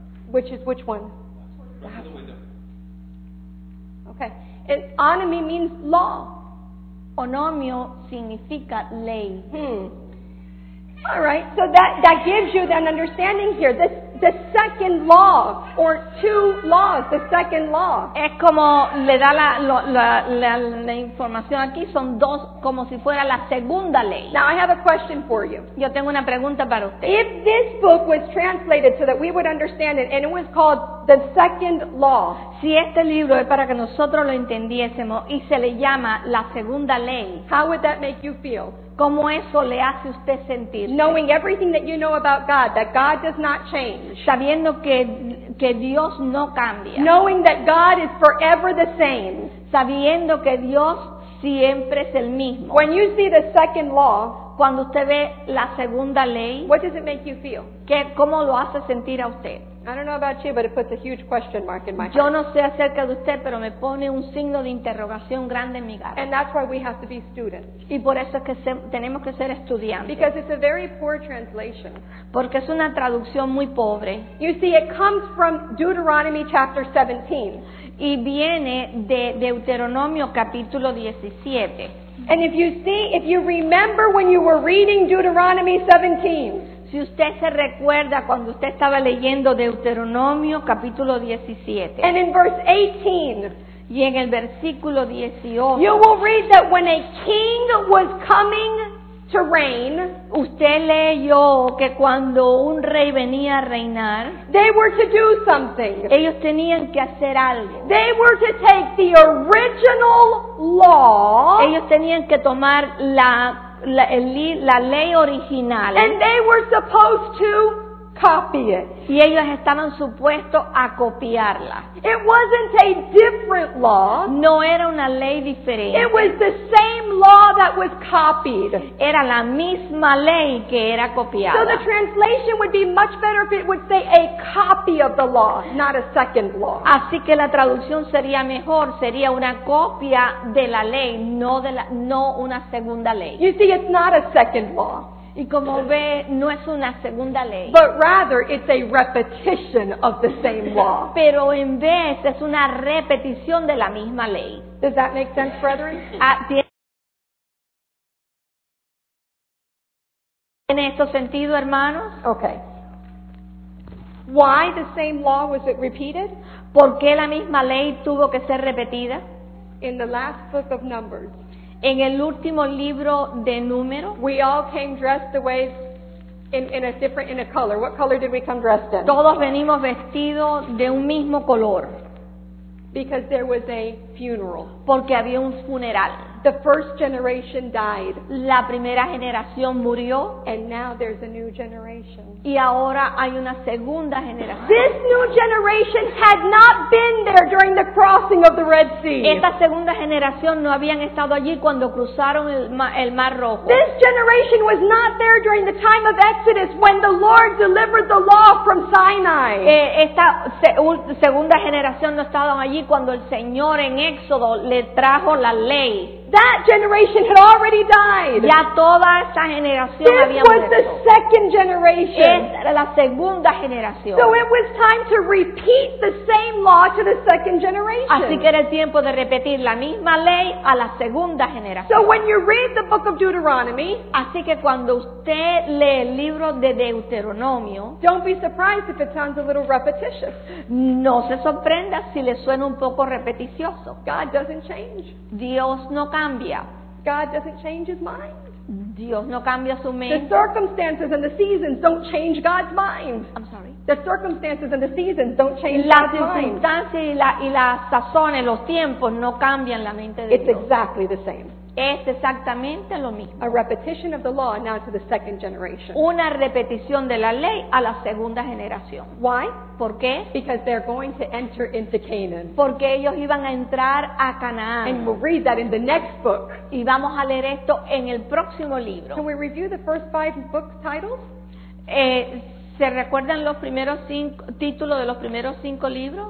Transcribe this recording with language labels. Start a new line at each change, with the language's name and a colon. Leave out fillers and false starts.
English: Which is which one? Okay. It, onomy means law.
Spanish: Onomio significa ley.
English: All right, so that gives you an understanding here. The second law, or two laws, the second law.
Spanish: Es como le da la información aquí, son dos, como si fuera la segunda ley.
English: Now I have a question for you.
Spanish: Yo tengo una pregunta para usted.
English: If this book was translated so that we would understand it, and it was called the second law.
Spanish: Si este libro es para que nosotros lo entendiésemos, y se le llama la segunda ley.
English: How would that make you feel?
Spanish: ¿Cómo eso le hace usted sentir?
English: Knowing everything that you know about God, that God does not change.
Spanish: Sabiendo que Dios no cambia.
English: Knowing that God is forever the same.
Spanish: Sabiendo que Dios siempre es el mismo.
English: When you see the second law,
Spanish: cuando usted ve la segunda ley,
English: what does it make you feel?
Spanish: ¿Cómo lo hace sentir a usted?
English: I don't know about you, but it puts a huge question mark in my heart.
Spanish: Yo no sé acerca de usted, pero me pone un signo de interrogación grande en mi garganta.
English: And that's why we have to be students.
Spanish: Y por eso es que tenemos que ser estudiantes.
English: Because it's a very poor translation.
Spanish: Porque es una traducción muy pobre.
English: You see, it comes from Deuteronomy chapter 17.
Spanish: Y viene de Deuteronomio capítulo 17.
English: And if you remember when you were reading Deuteronomy 17.
Spanish: Si usted se recuerda cuando usted estaba leyendo Deuteronomio capítulo 17.
English: And in verse 18.
Spanish: Y en el versículo 18.
English: You will read that when a king was coming to reign.
Spanish: Usted leyó que cuando un rey venía a reinar.
English: They were to do something.
Spanish: Ellos tenían que hacer algo.
English: They were to take the original law.
Spanish: Ellos tenían que tomar la ley original.
English: And they were supposed to copy it.
Spanish: Y ellos estaban supuestos a copiarla.
English: It wasn't a different law.
Spanish: No era una ley diferente.
English: It was the same law that was copied.
Spanish: Era la misma ley que era copiada.
English: So the translation would be much better if it would say a copy of the law, not a second law.
Spanish: Así que la traducción sería mejor, sería una copia de la ley, no una segunda ley.
English: You see, it's not a second law.
Spanish: Y como ve, no es una segunda ley.
English: But rather, it's a repetition of the same law.
Spanish: Pero en vez, es una repetición de la misma ley.
English: Does that make sense, brethren?
Spanish: ¿Tiene eso sentido, hermanos?
English: Okay. Why the same law was it repeated?
Spanish: ¿Por qué la misma ley tuvo que ser repetida?
English: In the last book of Numbers.
Spanish: En el último libro de Números,
English: we all came dressed the way in a color. What color did we come dressed in?
Spanish: Todos venimos vestidos de un mismo color.
English: Because there was a funeral.
Spanish: Porque había un funeral.
English: The first generation died.
Spanish: La primera generación murió.
English: And now there's a new generation.
Spanish: Y ahora hay una segunda generación.
English: This new generation had not been there during the crossing of the Red Sea.
Spanish: Esta segunda generación no habían estado allí cuando cruzaron el Mar Rojo.
English: This generation was not there during the time of Exodus when the Lord delivered the law from Sinai.
Spanish: Esta segunda generación no estaba allí cuando el Señor en Éxodo le trajo la ley.
English: That generation had already died.
Spanish: Ya toda esa generación había muerto.
English: This was the second generation.
Spanish: Esta era la segunda generación.
English: So it was time to repeat the same law to the second generation.
Spanish: Así que era el tiempo de repetir la misma ley a la segunda generación.
English: So when you read the book of Deuteronomy,
Spanish: así que cuando usted lee el libro de Deuteronomio,
English: don't be surprised if it sounds a little repetitious.
Spanish: No se sorprenda si le suena un poco repeticioso.
English: God doesn't change.
Spanish: Dios no cambia.
English: God doesn't change his mind.
Spanish: Dios no cambia su mente.
English: The circumstances and the seasons don't change God's mind. I'm sorry. The circumstances and the seasons don't change God's mind.
Spanish: Las circunstancias y las sazones, los tiempos no cambian la mente de Dios.
English: It's exactly the same.
Spanish: Es exactamente lo mismo.
English: A repetition of the law now to the second generation.
Spanish: Una repetición de la ley a la segunda generación.
English: Why?
Spanish: ¿Por qué?
English: Because they're going to enter into Canaan.
Spanish: Porque ellos iban a entrar a Canaán.
English: And we'll read that in the next book.
Spanish: Y vamos a leer esto en el próximo libro.
English: Can we review the first five book titles?
Spanish: ¿Se recuerdan los primeros cinco títulos de los primeros cinco libros?